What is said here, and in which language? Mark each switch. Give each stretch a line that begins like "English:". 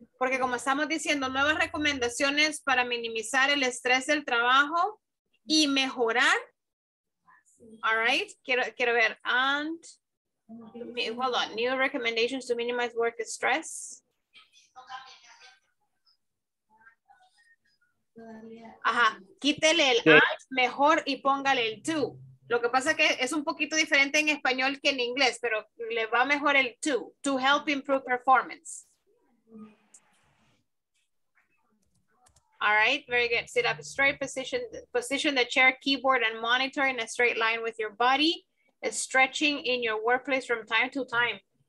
Spanish: Porque como estamos diciendo, nuevas recomendaciones para minimizar el estrés del trabajo y mejorar.
English: All right,
Spanish: quiero ver.
English: And, hold on, new recommendations to minimize work stress.
Spanish: Ajá, quítele el and mejor y póngale el to. Lo que pasa que es un poquito diferente en español que en inglés, pero le va mejor el
English: to help improve performance. All right, very good. Sit up straight, position the chair, keyboard, and monitor in a straight line with your body, stretching in your workplace from time to time.